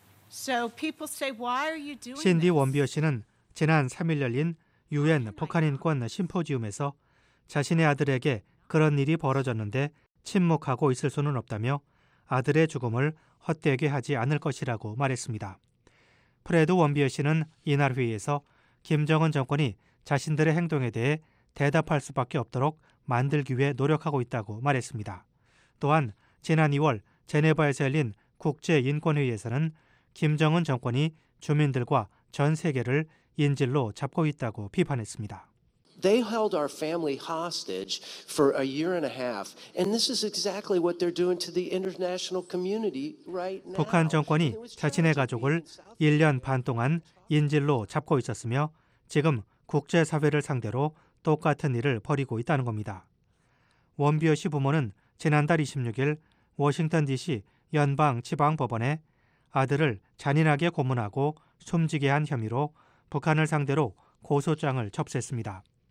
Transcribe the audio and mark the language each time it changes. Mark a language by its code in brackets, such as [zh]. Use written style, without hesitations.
[en] So people say, why are you doing this? [ko] 신디 원비어 씨는 지난 3일 열린 UN 북한 인권 심포지엄에서 자신의 아들에게 그런 일이 벌어졌는데 침묵하고 있을 수는 없다며 아들의 죽음을 헛되게 하지 않을 것이라고 말했습니다. 프레드 원비어 씨는 이날 회의에서 김정은 정권이 자신들의 행동에 대해 대답할 수밖에 없도록 만들기 위해 노력하고 있다고 말했습니다. 또한 지난 2월 제네바에서 열린 국제인권회의에서는 김정은 정권이 주민들과 전 세계를 인질로 잡고 있다고 비판했습니다. [en] They held our family hostage for a year and a half, and this is exactly what they're doing to the international community right now. [ko] 북한 정권이 자신의 가족을 1년 반 동안 인질로 잡고 있었으며 지금 국제사회를 상대로 똑같은 일을 벌이고 있다는 겁니다. 원비어 씨 부모는 지난달 26일 워싱턴 DC 연방지방법원에 아들을 잔인하게 고문하고 숨지게 한 혐의로 북한을 상대로 고소장을 접수했습니다.